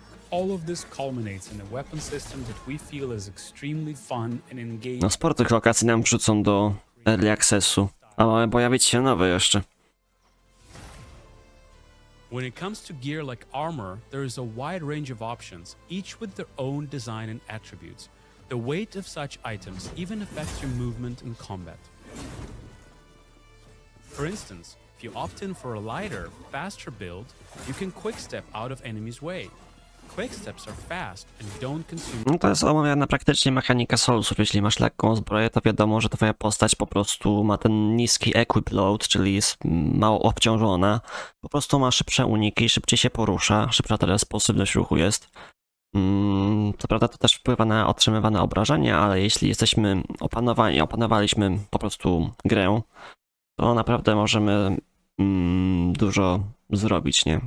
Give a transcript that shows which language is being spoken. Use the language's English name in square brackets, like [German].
[English] All of this culminates in a weapon system that we feel is extremely fun and engaging. [Polish] No sporo tych lokacji nam wrzucą do Early Accessu, a mamy pojawić się nowe jeszcze. [English] When it comes to gear like armor, there is a wide range of options, each with their own design and attributes. The weight of such items even affects your movement in combat. For instance, if you opt in for a lighter, faster build, you can quickstep out of enemies' way. Quicksteps are fast and don't consume. [Polish] No to jest omawiana praktycznie mechanika Soulsów. Jeśli masz lekką zbroję, to wiadomo, że twoja postać po prostu ma ten niski equip load, czyli jest mało obciążona. Po prostu ma szybsze uniki, szybciej się porusza, szybsza teraz sposobność ruchu jest. To prawda, to też wpływa na otrzymywane obrażenia, ale jeśli jesteśmy opanowani, opanowaliśmy po prostu grę, to naprawdę możemy dużo zrobić, nie?